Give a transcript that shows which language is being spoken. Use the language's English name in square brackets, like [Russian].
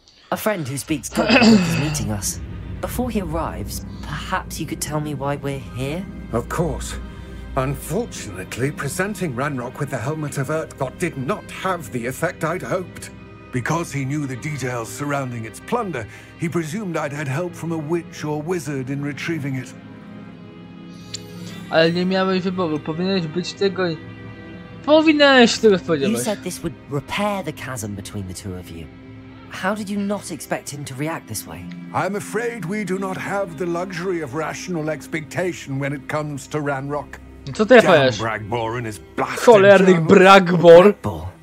[English] A friend who speaks Goblin is meeting us. Before he arrives, perhaps you could tell me why we're here? Of course. Unfortunately, presenting Ranrok with the helmet of Earthgot did not have the effect I'd hoped. Because he knew the details surrounding its plunder, he presumed I'd had help from a witch or wizard in retrieving it. [Polish] Ale nie miałeś wyboru, powinieneś być tego i... Powinieneś tego spodziewać. [English] You said this would repair the chasm between the two of you. How did you not expect him to react this way? I'm afraid we do not have the luxury of rational expectation when it comes to Ranrok. [Polish] Co ty fajesz? [English] Bragbor and his blasted... [Polish] Cholerny Bragbor!